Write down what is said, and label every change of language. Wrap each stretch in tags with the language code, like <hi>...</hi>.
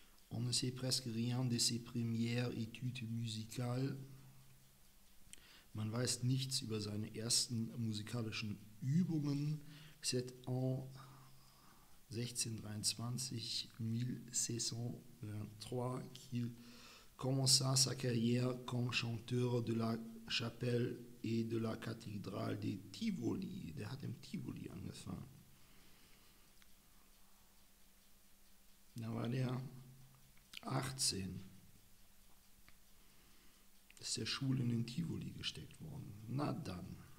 <fr>On ne sait presque rien de ses premières études musicales.</fr> <de>Man weiß nichts über seine ersten musikalischen Übungen.</de> <fr>C'est en 1623, 1623, qu'il commença sa carrière comme chanteur de la chapelle et de la cathédrale de Tivoli.</fr> <de>Der hat im Tivoli angefangen. Da war der 18. Ist der Schule in den Tivoli gesteckt worden. Na dann.</de>